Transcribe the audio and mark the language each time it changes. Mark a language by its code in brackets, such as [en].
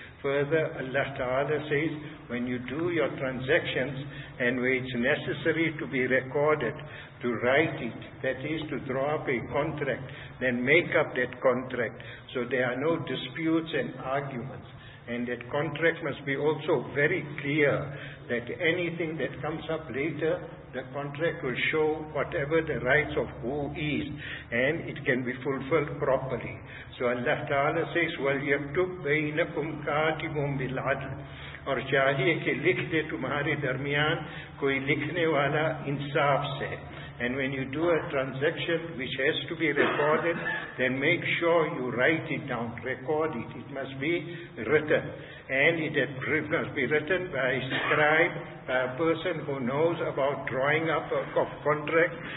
[en] Further, Allah Ta'ala says, when you do your transactions and where it's necessary to be recorded, to write it, that is to draw up a contract, then make up that contract so there are no disputes and arguments. And that contract must be also very clear, that anything that comes up later, the contract will show whatever the rights of who is, and it can be fulfilled properly. So Allah Ta'ala says, [ar] وَلْيَكْتُبْ بَيْنَكُمْ كَاتِبٌ بِالْعَدْلِ. [ur] اور چاہیے کہ لکھ دے تمہارے درمیان کوئی لکھنے والا انصاف سے. [en] And when you do a transaction which has to be recorded, then make sure you write it down, record it. It must be written. And it must be written by a scribe, by a person who knows about drawing up a contract.